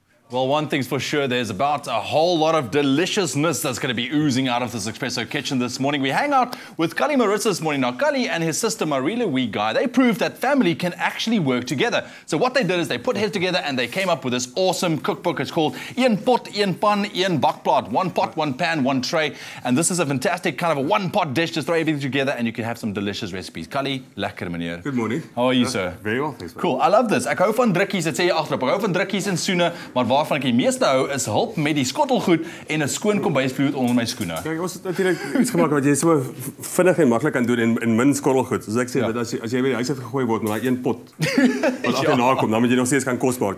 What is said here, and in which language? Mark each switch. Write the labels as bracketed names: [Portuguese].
[English] Well, one thing's for sure, there's about a whole lot of deliciousness that's going to be oozing out of this espresso kitchen this morning. We hang out with Callie and Mari-Louis this morning. Now, Callie and his sister Mari-Louis guy, they proved that family can actually work together. So what they did is they put heads together and they came up with this awesome cookbook. It's called [Afrikaans] Een Pot, Een Pan, Een Bakplaat. [English] One pot, one pan, one tray. And this is a fantastic kind of a one-pot dish. Just throw everything together and you can have some delicious recipes. [Afrikaans] Callie, lekker meneer. [English] Good morning. How are you, sir? Very well, thanks. Cool, I love this. [Afrikaans] Ek hou van drukkies, het sê jy agterop. Ek hou van drukkies en soene, maar waarvan ek die meeste hou is hulp met die skottelgoed en 'n skoon kombuisvloed onder my skoene. Kyk, ons het natuurlik iets gemaak wat jy so vinnig en maklik kan doen en min skottelgoed. Soos ek sê, ja. as jy by die huis uit gegooi word met daai een pot wat agter na kom, dan moet jy nog steeds kan kos maak.